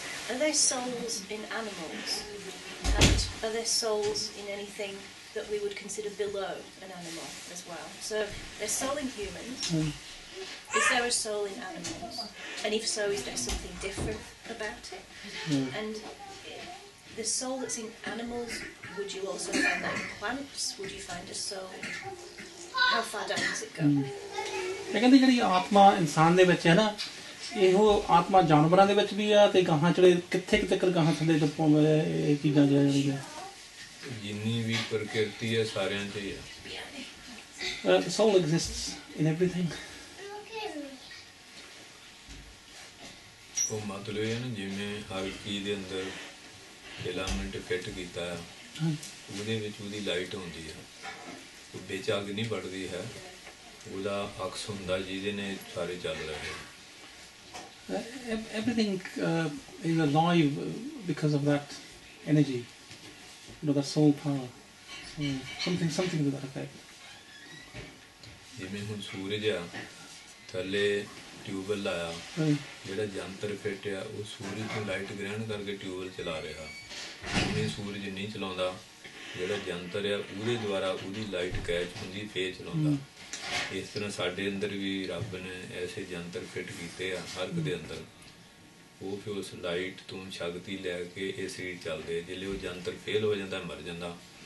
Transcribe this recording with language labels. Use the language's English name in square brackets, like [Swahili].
[English] Are there souls in animals? And are there souls in anything that we would consider below an animal as well? So, there's soul in humans. Mm. Is there a soul in animals? And if so, is there something different about it? Mm. And the soul that's in animals, would you also find that in plants? Would you find a soul? How far down does it go? [Punjabi] ਮੈਂ ਕਹਿੰਦੇ ਜਿਹੜੀ ਆਤਮਾ ਇਨਸਾਨ ਦੇ ਵਿੱਚ ਹੈ ਨਾ ਇਹੋ ਆਤਮਾ ਜਾਨਵਰਾਂ ਦੇ ਵਿੱਚ ਵੀ ਆ ਤੇ ਗਾਹਾਂ ਚੜੇ ਕਿੱਥੇ ਕਿਤੇ ਗਾਹਾਂ ਥੱਲੇ ਦੱਪੋਂ ਇਹ ਚੀਜ਼ਾਂ ਜਾ ਜਾਣਗੀਆਂ ਜਿੰਨੀ ਵੀ ਪ੍ਰਕਿਰਤੀ ਹੈ ਸਾਰਿਆਂ 'ਚ ਹੀ ਆ [English] soul exists in everything [Punjabi] ਉਹ ਮਤਲਬ ਇਹ ਹੈ ਨਾ ਜਿਵੇਂ ਹਰ ਚੀਜ਼ ਦੇ ਅੰਦਰ ਫਿਲਾਮੈਂਟ ਫਿੱਟ ਕੀਤਾ ਆ ਉਹਦੇ ਵਿੱਚ ਉਹਦੀ ਲਾਈਟ ਹੁੰਦੀ ਆ ਉਹ ਵਿੱਚ ਅੱਗ ਨਹੀਂ ਵੜਦੀ ਹੈ ਉਹਦਾ ਅਕਸ ਹੁੰਦਾ ਜਿਹਦੇ ਨੇ ਸਾਰੇ ਚੱਲ ਰਹੇ [English] Everything is alive because of that energy, you know, that soul power. So something to that effect. [Punjabi] ਜਿਵੇਂ ਹੁਣ ਸੂਰਜ ਆ ਥੱਲੇ ਟਿਊਬਲ ਲਾਇਆ ਜਿਹੜਾ ਯੰਤਰ ਫਿੱਟ ਆ ਉਹ ਸੂਰਜ ਤੋਂ ਲਾਈਟ ਗ੍ਰਹਿਣ ਕਰਕੇ ਟਿਊਬਲ ਚਲਾ ਰਿਹਾ ਜਿਵੇਂ ਸੂਰਜ ਨਹੀਂ ਚਲਾਉਂਦਾ ਜਿਹੜਾ ਯੰਤਰ ਆ ਉਹਦੇ ਦੁਆਰਾ ਉਹਦੀ ਲਾਈਟ ਕੈਚ ਹੁੰਦੀ ਫੇਰ ਚਲਾਉਂਦਾ ਇਸ ਤਰ੍ਹਾਂ ਸਾਡੇ ਅੰਦਰ ਵੀ ਰੱਬ ਨੇ ਐਸੇ ਯੰਤਰ ਫਿੱਟ ਕੀਤੇ ਆ ਹਰ ਇੱਕ ਦੇ ਅੰਦਰ ਉਹ ਫਿਰ ਉਸ ਲਾਈਟ ਤੋਂ ਸ਼ਕਤੀ ਲੈ ਕੇ ਇਹ ਸਰੀਰ ਚੱਲਦੇ ਜਿਹੜੇ ਉਹ ਯੰਤਰ ਫੇਲ ਹੋ ਜਾਂਦਾ ਮਰ ਜਾਂਦਾ